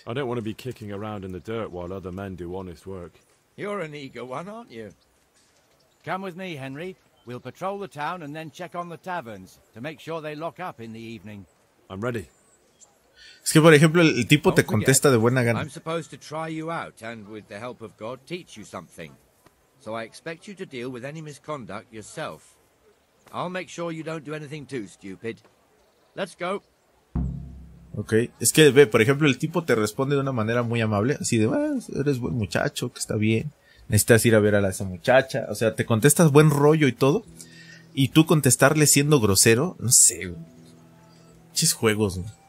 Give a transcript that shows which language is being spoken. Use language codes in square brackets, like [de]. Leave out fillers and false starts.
[en] I don't want to be kicking around in the dirt while other men do honest work. You're an eager one, aren't you? Come with me, Henry. We'll patrol the town and then check on the taverns to make sure they lock up in the evening. I'm ready. [es] Es que, por ejemplo, el tipo te contesta de buena gana. [en] I'm supposed to try you out and, with the help of God, teach you something. So I expect you to deal with any misconduct yourself. I'll make sure you don't do anything too stupid. Let's go. [es] Ok, es que, ve, por ejemplo, el tipo te responde de una manera muy amable. Así de, eres buen muchacho, que está bien. Necesitas ir a ver a esa muchacha. O sea, te contestas buen rollo y todo. Y tú contestarle siendo grosero, no sé. Chis juegos, ¿no?